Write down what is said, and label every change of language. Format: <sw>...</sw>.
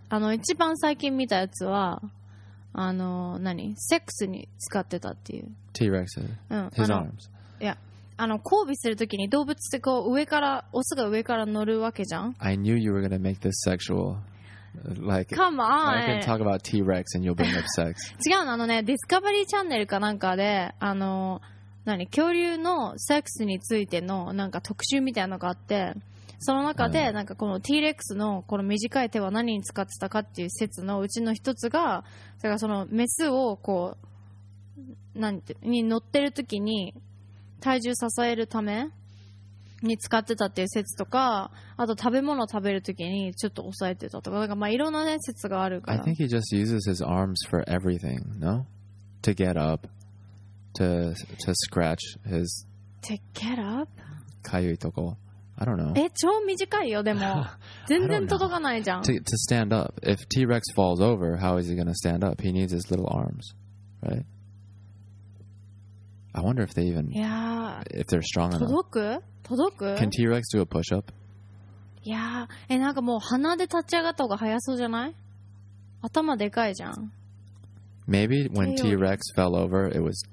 <ja>あの、一番最近見たやつは、あの何セックスに使ってたっていう</ja> <en>T-Rex、</en> <ja>うん、</ja> <en>His arms</en> <ja>いやあの交尾するときに動物ってこう上からオスが上から乗るわけじゃん。</ja> <en>I knew you were gonna make this sexual like come on I can talk about T-Rex and you'll bring up sex</en> <ja>違うのあのねディスカバリーチャンネルかなんかであの何恐竜のセックスについてのなんか特集みたいなのがあってその中でなんかこの T-Rex のこの短い手は何に使ってたかっていう説のうちの一つがだからそのメスをこうなんてに乗ってる時に体重支えるために使ってたっていう説とかあと食べ物を食べる時にちょっと抑えてたとかなんかまあいろんなね説があるから</ja> <en>I think he just uses his arms for everything, no? To get up to scratch his To get up?</en> <ja>かゆいとこ</ja> <en>I don't know.</en> <ja>え、超短いよ、でも。全然届かないじゃん。</ja> <en>To stand up. If T-Rex falls over, how is he going to stand up? He needs his little arms, right? I wonder if they even... Yeah. If they're strong</en> <ja>届く?</ja> <en>enough.</en> <ja>届く?</ja> <en>Can T-Rex do a push-up?</en> <ja>Yeah. え、なんかもう鼻で立ち上がった方が早そうじゃない? 頭でかいじゃん。</ja> <en>Maybe when T-Rex fell over, it was...</en>